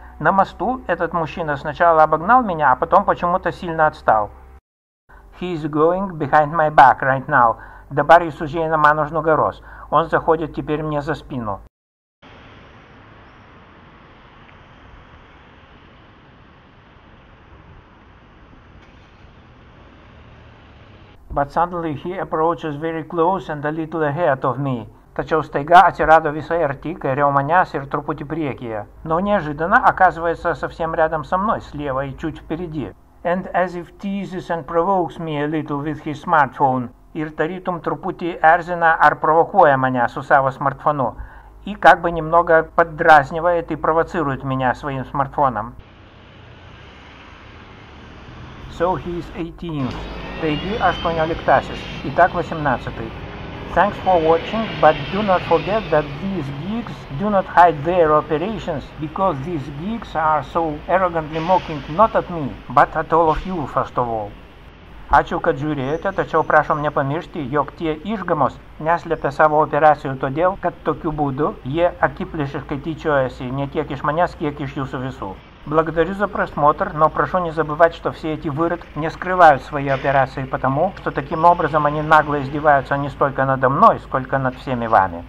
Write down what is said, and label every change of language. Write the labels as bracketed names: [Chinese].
[Russian] На мосту этот мужчина сначала обогнал меня, а потом почему-то сильно отстал. [English] He is going behind my back right now. [Lithuanian] Dabar jis užėjina man už nugaros. [Russian] Он заходит теперь мне за спину. [English] But suddenly he approaches very close and a little ahead of me. [Lithuanian] Tačiau staiga atsirado visai arti, kairiau manęs ir truputį priekyje. [Russian] Но неожиданно оказывается совсем рядом со мной, слева и чуть впереди. [English] And as if teases and provokes me a little with his smartphone. [Lithuanian] Ir tarytum truputį erzina ar provokuoja mane su savo smartfonu. [Russian] И как бы немного поддразнивает и провоцирует меня своим смартфоном. [English] So he's 18th. [Lithuanian] Taigi 18-asis. [Russian] Итак, 18-й. [English] Thanks for watching, but do not forget that these geeks do not hide their operations, because these geeks are so arrogantly mocking not at me, but at all of you, first of all. [Lithuanian] Ačiū, kad žiūrėjote, tačiau prašom nepamiršti, jog tie išgamos neslėpė savo operacijų todėl, kad tokiu būdu jie akiplėšiškai tyčiojasi не tiek iš manęs, kiek iš jūsų visų. [Russian] Благодарю за просмотр, но прошу не забывать, что все эти выродки не скрывают свои операции потому, что таким образом они нагло издеваются не столько надо мной, сколько над всеми вами.